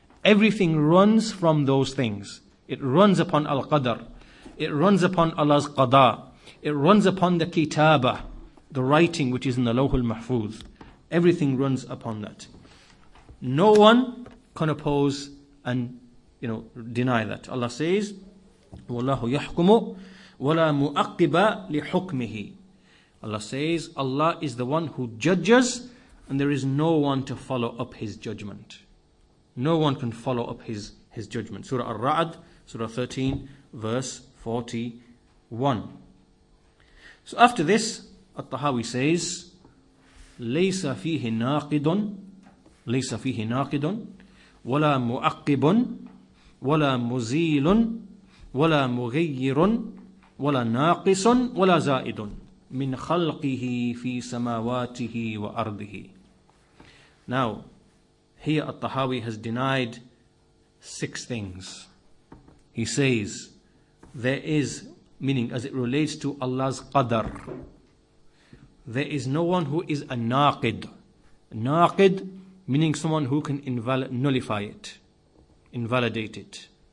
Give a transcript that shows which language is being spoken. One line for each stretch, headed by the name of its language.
English: Everything runs from those things. It runs upon Al-Qadr. It runs upon Allah's Qadha. It runs upon the Kitaba, the writing which is in the Lawhul Mahfuz. Everything runs upon that. No one can oppose and deny that. Allah says,
Arabic: وَاللَّهُ يَحْكُمُ وَلَا مُؤَقِّبَ لِحُكْمِهِ.
English: Allah says, Allah is the one who judges, and there is no one to follow up His judgment. No one can follow up His judgment. Surah Ar-Ra'd, Surah 13, verse 41. So after this, At-Tahawi says,
Arabic: لَيْسَ فِيهِ نَاقِدٌ لَيْسَ فِيهِ نَاقِدٌ وَلَا مُعَقِّبٌ وَلَا مُزِيلٌ وَلَا مُغَيِّرٌ وَلَا نَاقِسٌ وَلَا زَائِدٌ مِنْ خَلْقِهِ فِي سَمَاوَاتِهِ وَأَرْضِهِ.
English: Now, here At-Tahawi has denied six things. He says, there is, meaning as it relates to Allah's Qadr, there is no one who is a naqid. Naqid, meaning someone who can nullify it, invalidate it.